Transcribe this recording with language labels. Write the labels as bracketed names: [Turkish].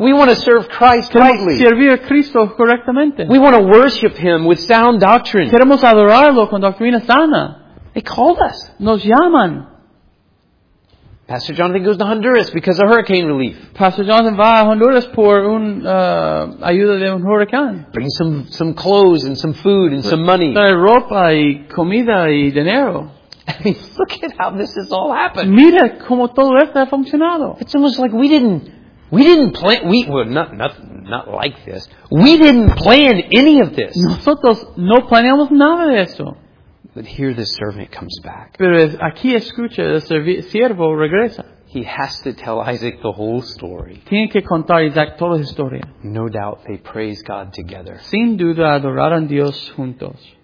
[English] We want to serve Christ rightly. [Spanish] Queremos servir a Cristo correctamente. [English] We want to worship Him with sound doctrine. [Spanish] Queremos adorarlo con doctrina sana. [English] They called us. [Spanish] Nos llaman. [English] Pastor Jonathan goes to Honduras because of hurricane relief. [Spanish] Pastor Jonathan va a Honduras por un ayuda de un huracán. [English] Bring some clothes and some food and some money. [Spanish] Trae ropa y comida y dinero. [English] Look at how this has all happened. [Spanish] Mira cómo todo esto ha funcionado. [English] It's almost like we didn't plan, not like this. We didn't plan any of this. [Spanish] Nosotros no planeamos nada de eso. [English] But here the servant comes back. [Spanish] Pero aquí escucha, el siervo regresa. [English] He has to tell Isaac the whole story. [Spanish] Tiene que contar Isaac toda la historia. [English] No doubt they praise God together. [Spanish] Sin duda adoraron Dios juntos.